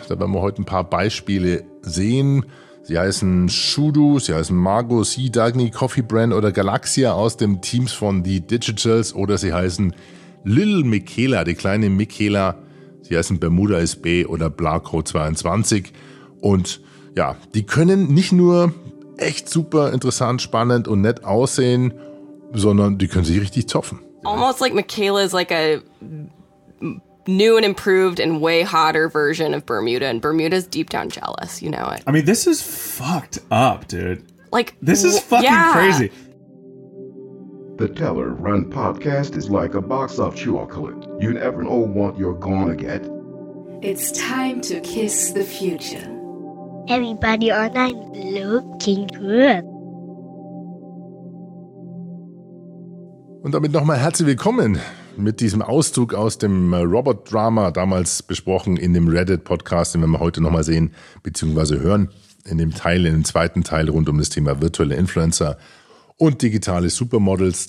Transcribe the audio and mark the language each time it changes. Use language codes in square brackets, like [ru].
[de] Da werden wir heute ein paar Beispiele sehen. Sie heißen Shudu, sie heißen Margo, Sea Dagny, Coffee Brand oder Galaxia aus dem Teams von The Digitals. Oder sie heißen Lil Mikela, die kleine Mikela. Sie heißen Bermuda SB oder Blarco 22. Und ja, die können nicht nur echt super interessant, spannend und nett aussehen, sondern die können sich richtig zoffen. [en] Almost like Mikela is like a new and improved and way hotter version of Bermuda. And Bermuda's deep down jealous, you know it. I mean, this is fucked up, dude. Like, this is fucking crazy. The Teller Run podcast is like a box of chocolate. You never know what you're gonna get. It's time to kiss the future. Everybody online looking good. [de] Und damit nochmal herzlich willkommen mit diesem Auszug aus dem Robot-Drama, damals besprochen in dem Reddit-Podcast, den wir heute nochmal sehen bzw. hören, in dem Teil, in dem zweiten Teil rund um das Thema virtuelle Influencer und digitale Supermodels.